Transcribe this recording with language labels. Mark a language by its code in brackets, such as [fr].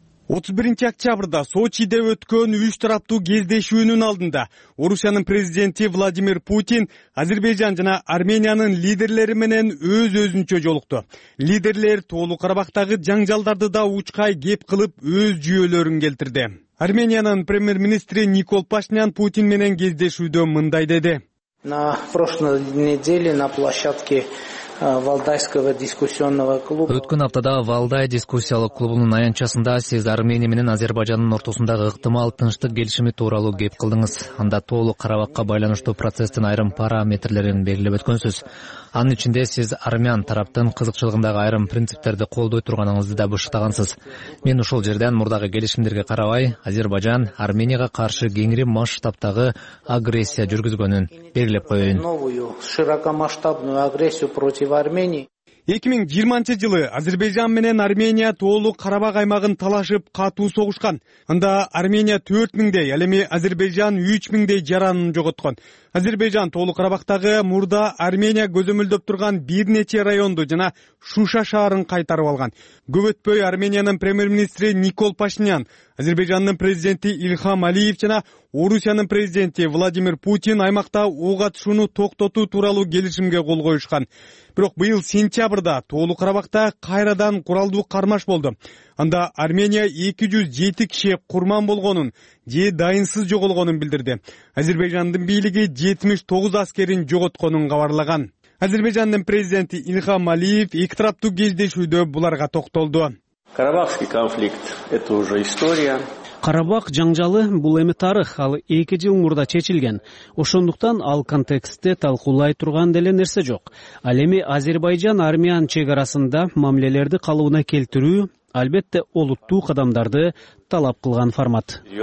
[ky] 31-октябрда Сочиде өткөн үч тараптуу кездешүүнүн алдында Орусиянын президенти Владимир Путин Азербайджан жана Армениянын лидерлери менен өз өзүнчө жолукту. Лидерлер Тоолу Карабахтагы жаңжалдарды да учкай кеп кылып өз жүйөлөрүн келтирди. Армениянын премьер-министри Никол Пашинян Путин менен кездешүүдө мындай деди. [ru] На прошлой неделе на площадке Валдайского дискуссионного клуба. [ky] Өткөн аптада Валдай дискуссиялык клубунун аянтчасында сиз Армения менен Азербайджандын ортосундагы ыктымал тынчтык келишими тууралуу кеп кылдыңыз. Анда Тоолу Карабакка байланыштуу процесстин айрым параметрлерин белгилеп өткөнсүз. Анын ичинде сиз армян тараптын кызыкчылыгындагы айрым принциптерди колдой турганыңызды да бышыктагансыз. Мен ушул жерден мурдагы келишимдерге карабай, Азербайджан Арменияга каршы кеңири масштабтагы агрессия жүргүзгөнүн белгилеп коёюн. [ru] Новую широкомасштабную агрессию против Армении. [ky] 2020-жылы Азербайджан менен Армения Тоолу Карабак аймагын талашып катуу согушкан. Анда Армения 4000 ал эми Азербайджан 3000 жаранын жоготкон. Азербайджан Тоолу Карабактагы мурда Армения көзөмөлдөп турган бир нече районду жана Шуша шаарын кайтарып алган. Көп өтпөй Армениянын премьер-министри Никол Пашинян, Азербайджандын президенти Ильхам Алиев жана Орусиянын президенти Владимир Путин аймакта ок атышууну токтотуу тууралуу келишимге кол коюшкан. Бирок быйыл сентябрда Тоолу Карабакта кайрадан куралдуу кармаш болду. Анда Армения 207 киши курман болгонун же дайынсыз жоголгонун билдирди. Азербайджандын бийлиги 79 аскерин жоготконун кабарлаган. Азербайджандын президенти Ильхам Алиев эки тараптуу кездешүүдө буларга токтолду. [ru] Карабахский конфликт – это уже история. [ky] Карабах жаңжалы бул эми тарых, ал 2 жыл мурда чечилген. Ошондуктан ал контекстте талкуулай турган деле нерсе жок. Ал эми Азербайджан армян чек арасында мамилелерди калыбына келтирүү албетте олуттуу кадамдарды талап кылган формат.